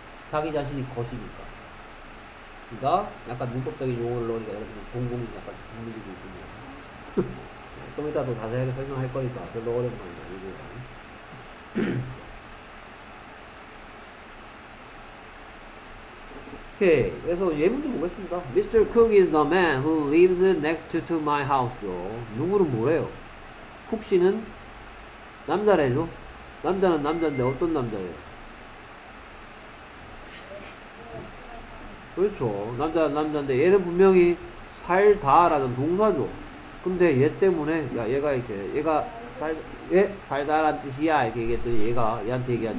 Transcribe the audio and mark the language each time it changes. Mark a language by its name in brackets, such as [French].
[Korean] 자기 자신이 것이니까. 그니까 약간 문법적인 용어를 넣으니까 여러분 공공이 약간 분리되고 있군요. 좀 이따 더 자세하게 설명할 거니까 별로 어려운 거 아니야 이거. 오케이. 그래서 예문도 보겠습니다. [English] Mr. Cook is the man who lives next to my house죠. [Korean] 누구는 뭐래요? 쿡 씨는 남자래죠. 남자는 남자인데 어떤 남자예요? 그렇죠. 남자는 남자인데 얘는 분명히 살다라는 동사죠. 근데 얘 때문에 야 얘가 이렇게 얘가 살다란 뜻이야 이렇게 얘기했더니 얘가 얘한테 얘기하죠.